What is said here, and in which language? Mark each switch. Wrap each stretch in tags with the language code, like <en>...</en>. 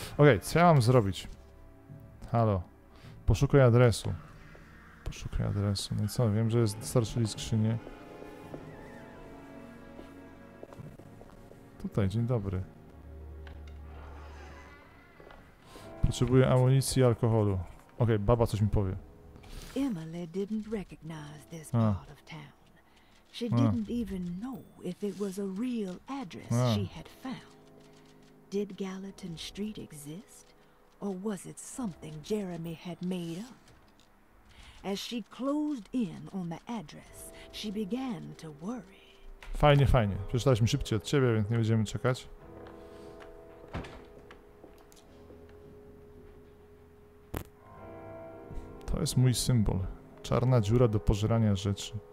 <pl>Okej, co ja mam zrobić? Halo. Poszukaj adresu. No i co? Wiem, że jest dostarczyli skrzynię. Tutaj, dzień dobry. Potrzebuję amunicji i alkoholu. Okej, baba coś mi powie.</pl> <en>Emily didn't recognize this part of town. She didn't even know if it was a real address she had found. Did Gallatin Street exist, or was it something Jeremy had made up? As she closed in on the address, she began to worry.</en> <pl>Fajnie. Przeczytaliśmy szybciej od ciebie, więc nie będziemy czekać. To jest mój symbol. Czarna dziura do pożerania rzeczy.</pl>